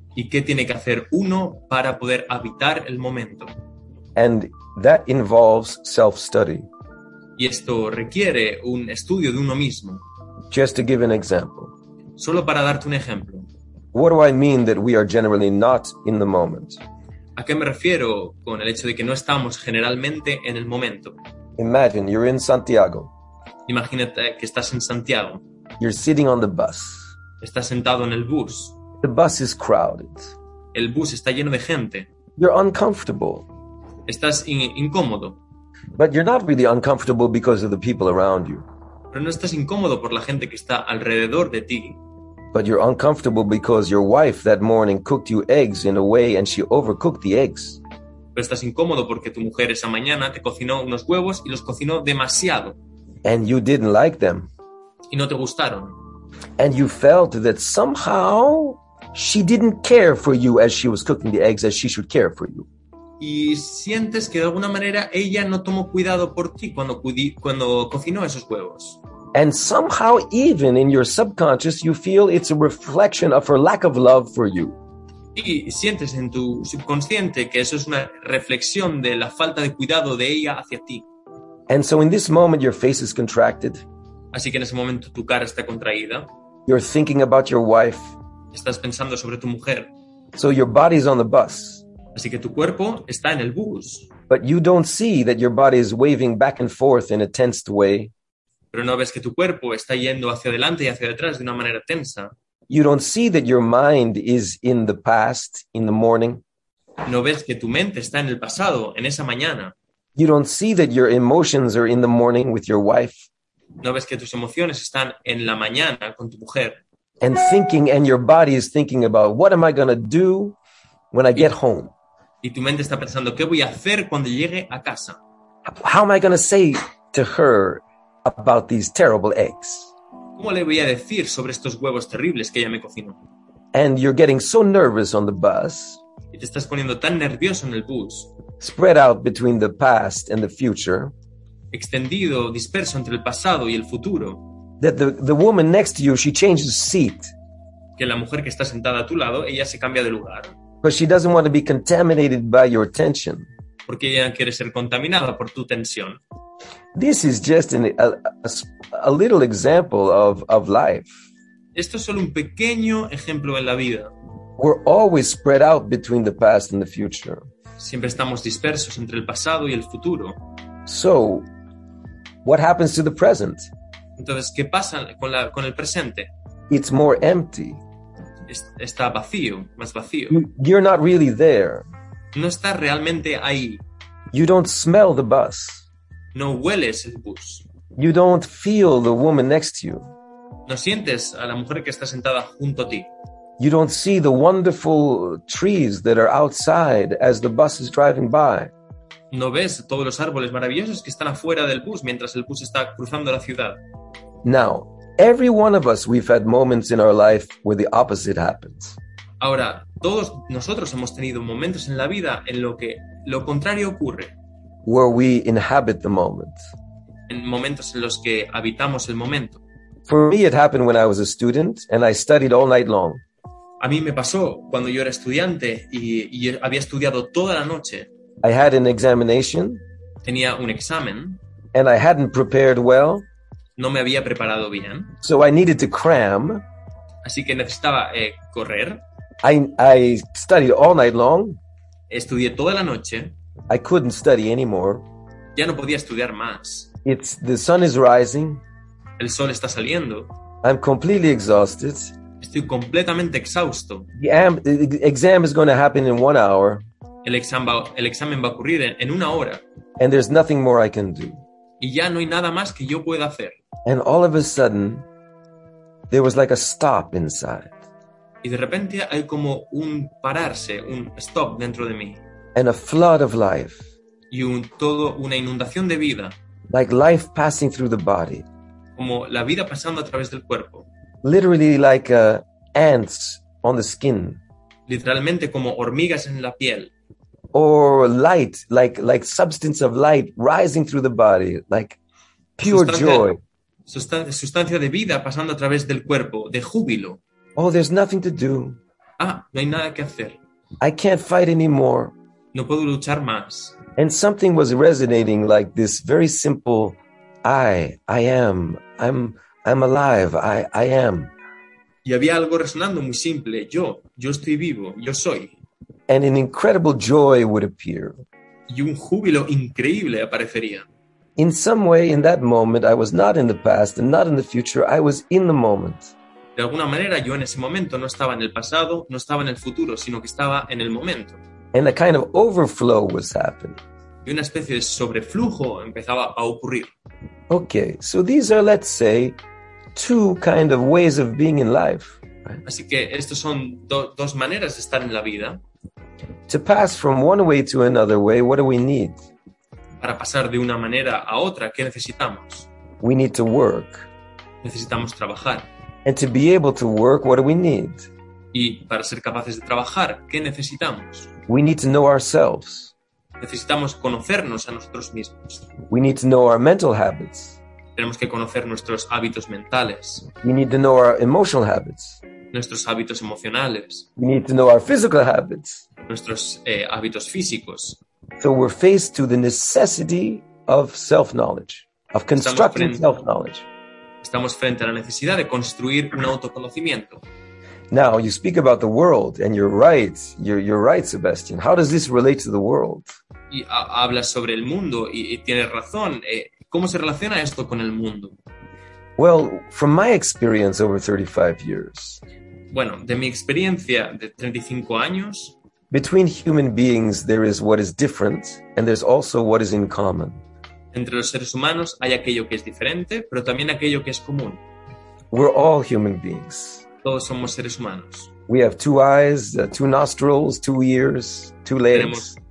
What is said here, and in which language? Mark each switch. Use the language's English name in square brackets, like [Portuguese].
[Spanish] Y qué tiene que hacer uno para poder habitar el momento. [English] And that involves self-study. [Spanish] Y esto requiere un estudio de uno mismo. [English] Just to give an example. [Spanish] Solo para darte un ejemplo. [English] What do I mean that we are generally not in the moment? [Spanish] ¿A qué me refiero con el hecho de que no estamos generalmente en el momento? [English] Imagine you're in Santiago. [Spanish] Imagínate que estás en Santiago. [English] You're sitting on the bus. [Spanish] Estás sentado en el bus. [English] The bus is crowded. [Spanish] El bus está lleno de gente. [English] You're uncomfortable. [Spanish] Estás incómodo. [English] But you're not really uncomfortable because of the people around you. [Spanish] Pero no estás incómodo por la gente que está alrededor de ti. [English] But you're uncomfortable because your wife that morning cooked you eggs in a way and she overcooked the eggs. [Spanish] Pero estás incómodo porque tu mujer esa mañana te cocinó unos huevos y los cocinó demasiado. [English] And you didn't like them. [Spanish] Y no te gustaron. [English] And you felt that somehow she didn't care for you as she was cooking the eggs as she should care for you. [Spanish] Y sientes que de alguna manera ella no tomó cuidado por ti cuando cocinó esos huevos. [English] And somehow even in your subconscious you feel it's a reflection of her lack of love for you. [Spanish] Y sientes en tu subconsciente que eso es una reflexión de la falta de cuidado de ella hacia ti. [English] And so in this moment your face is contracted. [Spanish] Así que en ese momento tu cara está contraída. [English] You're thinking about your wife. [Spanish] Estás pensando sobre tu mujer. [English] So your body is on the bus. [Spanish] Así que tu cuerpo está en el bus. [English] But you don't see that your body is waving back and forth in a tensed way. [Spanish] Pero no ves que tu cuerpo está yendo hacia adelante y hacia detrás de una manera tensa. [English] You don't see that your mind is in the past, in the morning. [Spanish] No ves que tu mente está en el pasado, en esa mañana. [English] You don't see that your emotions are in the morning with your wife. [Spanish] No ves que tus emociones están en la mañana con tu mujer. [English] And thinking, and your body is thinking about, what am I going to do when I get home? [Spanish] Y tu mente está pensando, ¿qué voy a hacer cuando llegue a casa? [English] How am I going to say to her about these terrible eggs? [Spanish] ¿Cómo le voy a decir sobre estos huevos terribles que ella me cocinó? [English] And you're getting so nervous on the bus. [Spanish] Y te estás poniendo tan nervioso en el bus. [English] Spread out between the past and the future. [Spanish] Extendido, disperso entre el pasado y el futuro. [English] That the woman next to you, she changes seat. [Spanish] Que la mujer que está sentada a tu lado, ella se cambia de lugar. [English] Because she doesn't want to be contaminated by your tension. [Spanish] Porque ella quiere ser contaminada por tu tensión. [English] This is just a little example of life. [Spanish] Esto es solo un pequeño ejemplo en la vida. [English] We're always spread out between the past and the future. [Spanish] Siempre estamos dispersos entre el pasado y el futuro. [English] So, what happens to the present? [Spanish] Entonces, ¿qué pasa con el presente? [English] It's more empty. [Spanish] Está vacío, más vacío. [English] You're not really there. [Spanish] No está realmente ahí. [English] You don't smell the bus. [Spanish] No hueles el bus. [English] You don't feel the woman next to you. [Spanish] No sientes a la mujer que está sentada junto a ti. [English] You don't see the wonderful trees that are outside as the bus is driving by. [Spanish] No ves todos los árboles maravillosos que están afuera del bus mientras el bus está cruzando la ciudad. [English] Now, every one of us, we've had moments in our life where the opposite happens. [Spanish] Ahora, todos nosotros hemos tenido momentos en la vida en lo que lo contrario ocurre. [English] Where we inhabit the moment. [Spanish] En momentos en los que habitamos el momento. [English] For me, it happened when I was a student and I studied all night long. [Spanish] A mí me pasó cuando yo era estudiante y había estudiado toda la noche. [English] I had an examination. [Spanish] Tenía un examen. [English] And I hadn't prepared well. [Spanish] No me había preparado bien. [English] So I needed to cram. [Spanish] Así que necesitaba correr. [English] I studied all night long. [Spanish] Estudié toda la noche. [English] I couldn't study anymore. [Spanish] Ya no podía estudiar más. [English] It's the sun is rising. [Spanish] El sol está saliendo. [English] I'm completely exhausted. [Spanish] Estoy completamente exhausto. [English] The exam is going to happen in 1 hour. [Spanish] El examen va a ocurrir en 1 hora. [English] And there's nothing more I can do. [Spanish] Y ya no hay nada más que yo pueda hacer. [English] And all of a sudden, there was like a stop inside. [Spanish] Y de repente hay como un pararse, un stop dentro de mí. [English] And a flood of life. [Spanish] Y todo una inundación de vida. [English] Like life passing through the body. [Spanish] Como la vida pasando a través del cuerpo. [English] Literally like ants on the skin. [Spanish] Literalmente como hormigas en la piel. [English] Or light, like substance of light rising through the body, like pure joy. [Spanish] Sustancia de vida pasando a través del cuerpo, de júbilo. [English] Oh, there's nothing to do. [Spanish] Ah, no hay nada que hacer. [English] I can't fight anymore. [Spanish] No puedo luchar más. [English] And something was resonating like this very simple, I am, I'm alive, I am. [Spanish] Y había algo resonando muy simple, yo estoy vivo, yo soy. [English] And an incredible joy would appear. [Spanish] Y un júbilo increíble aparecería. [English] In some way, in that moment, I was not in the past and not in the future. I was in the moment. [Spanish] De alguna manera, yo en ese momento no estaba en el pasado, no estaba en el futuro, sino que estaba en el momento. [English] And a kind of overflow was happening. [Spanish] Y una especie de sobreflujo empezaba a ocurrir. [English] Okay, so these are, let's say, two kind of ways of being in life. Right? [Spanish] Así que estos son dos maneras de estar en la vida. [English] To pass from one way to another way, what do we need? [Spanish] Para pasar de una manera a otra, ¿qué necesitamos? [English] We need to work. [Spanish] Necesitamos trabajar. [English] And to be able to work, what do we need? [Spanish] Y para ser capaces de trabajar, ¿qué necesitamos? [English] We need to know ourselves. [Spanish] Necesitamos conocernos a nosotros mismos. [English] We need to know our mental habits. [Spanish] Tenemos que conocer nuestros hábitos mentales. [English] We need to know our emotional habits. [Spanish] Nuestros hábitos emocionales. [English] We need to know our physical habits. [Spanish] Nuestros hábitos físicos. [English] So we're faced to the necessity of self-knowledge, of constructing self-knowledge. [Spanish] Estamos frente a la necesidad de construir un autoconocimiento. [English] Now you speak about the world, and you're right. You're right, Sebastian. How does this relate to the world? [Spanish] Y hablas sobre el mundo y tienes razón. ¿Cómo se relaciona esto con el mundo? [English] Well, from my experience over 35 years. [Spanish] Bueno, de mi experiencia de 35 años. [English] Between human beings, there is what is different, and there's also what is in common. [Spanish] Entre los seres humanos hay aquello que es diferente, pero también aquello que es común. [English] We're all human beings. [Spanish] Todos somos seres humanos. [English] We have two eyes, two nostrils, two ears, two legs.